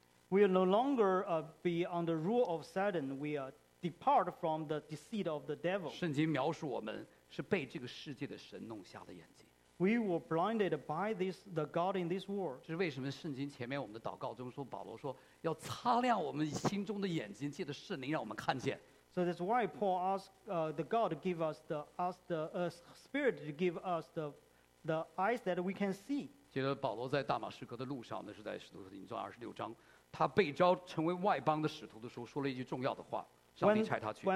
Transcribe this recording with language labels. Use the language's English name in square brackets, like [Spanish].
[English] We are no longer be under the rule of Satan. We are depart from the deceit of the devil. [Chinese] 圣经描述我们是被这个世界的神弄瞎了眼睛。 [English] We were blinded by this the God in this world. [Chinese] 这是为什么圣经前面我们的祷告中说保罗说要擦亮我们心中的眼睛，借着圣灵让我们看见。 [English] So that's why Paul asked the God to give us the Spirit to give us the eyes that we can see. [Chinese] 接着保罗在大马士革的路上，那是在使徒行传二十六章，他被召成为外邦的使徒的时候，说了一句重要的话，上帝差他去。